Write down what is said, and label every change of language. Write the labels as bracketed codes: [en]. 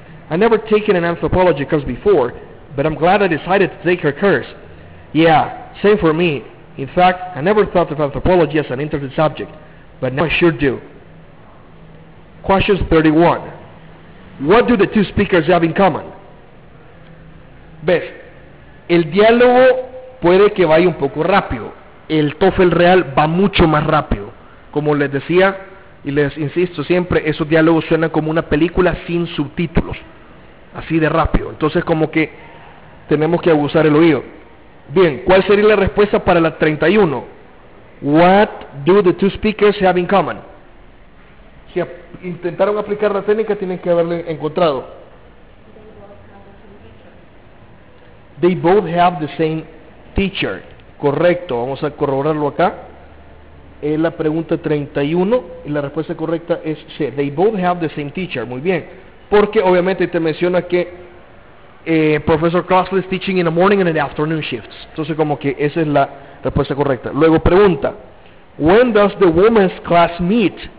[en] I never taken an anthropology course before, but I'm glad I decided to take her course. Yeah, same for me. In fact, I never thought of anthropology as an interesting subject, but now I sure do. Question 31. What do the two speakers have in common? [es] Ves, el diálogo puede que vaya un poco rápido. El TOEFL real va mucho más rápido. Como les decía, y les insisto siempre, esos diálogos suenan como una película sin subtítulos. Así de rápido. Entonces, como que tenemos que aguzar el oído. Bien, ¿cuál sería la respuesta para la 31? [en] What do the two speakers have in common? [es] Si intentaron aplicar la técnica, tienen que haberle encontrado. [en] They both have the same teacher. [es] Correcto. Vamos a corroborarlo acá. Es la pregunta 31. Y la respuesta correcta es C. [en] They both have the same teacher. [es] Muy bien. Porque obviamente te menciona que [en] Professor Crossley is teaching in the morning and in the afternoon shifts. [es] Entonces como que esa es la respuesta correcta. Luego pregunta, [en] when does the women's class meet?